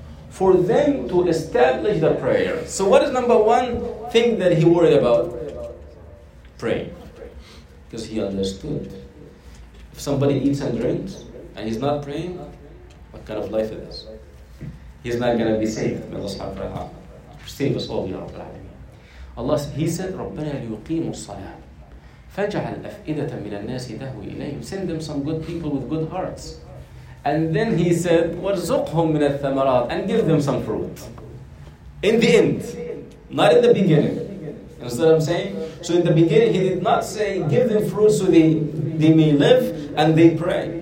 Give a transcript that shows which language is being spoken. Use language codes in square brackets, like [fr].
[en] For them to establish the prayer. So what is number one thing that he worried about? Praying. Because he understood. If somebody eats and drinks, and he's not praying, what kind of life is this? He's not going to be saved. May Allah subhanahu wa ta'ala save us all, ya Rabbil Alameen. Allah, he said, [ar] رَبَّنَا لِيُقِيمُ الصَّلَاةِ فَجَعَلْ أَفْئِدَةً مِنَ النَّاسِ تَهْوِي إِلَيْهِمْ. [en] Send them some good people with good hearts. And then he said, [ar] وَرْزُقْهُمْ مِنَ الثَّمَرَاتِ. [en] And give them some fruit. In the end. Not in the beginning. You understand what I'm saying? So in the beginning, he did not say, give them fruit so they may live and they pray.